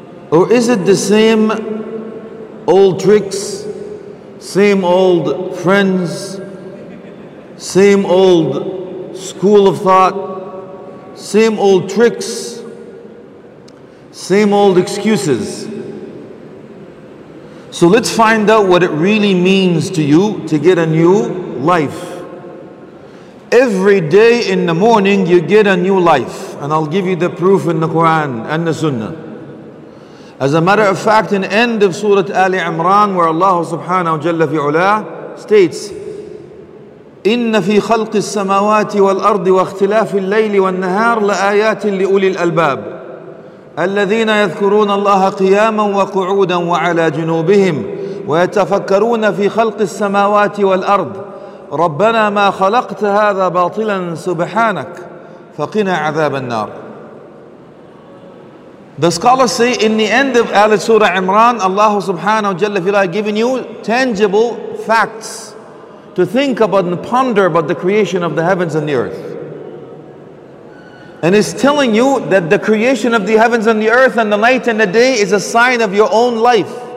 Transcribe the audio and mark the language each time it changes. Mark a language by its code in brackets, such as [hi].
[en] Or is it the same old tricks, same old friends, same old school of thought, same old tricks, same old excuses? So let's find out what it really means to you to get a new life. Every day in the morning you get a new life, and I'll give you the proof in the Quran and the Sunnah. As a matter of fact, in the end of Surah Ali Imran, where Allah subhanahu wa jalla fi ula states, [ar] إِنَّ فِي خَلْقِ السَّمَوَاتِ وَالْأَرْضِ وَاخْتِلَافِ اللَّيْلِ وَالنَّهَارِ لَآيَاتٍ لِأُولِي الْأَلْبَابِ الَّذِينَ يَذْكُرُونَ اللَّهَ قِيَامًا وَقُعُودًا وَعَلَى جُنُوبِهِمْ وَيَتَفَكَّرُونَ فِي خَلْقِ السَّمَوَاتِ وَالْأَرْضِ رَبَّنَا مَا خَلَقْتَ هَذَا بَاطِلًا سُبْحَانَكَ فَقِنَا عَذَابَ النَّارِ. [en] The scholars say, in the end of Al Surah Imran, Allah subhanahu wa jalla fila giving you tangible facts to think about and ponder about the creation of the heavens and the earth. And it's telling you that the creation of the heavens and the earth and the night and the day is a sign of your own life.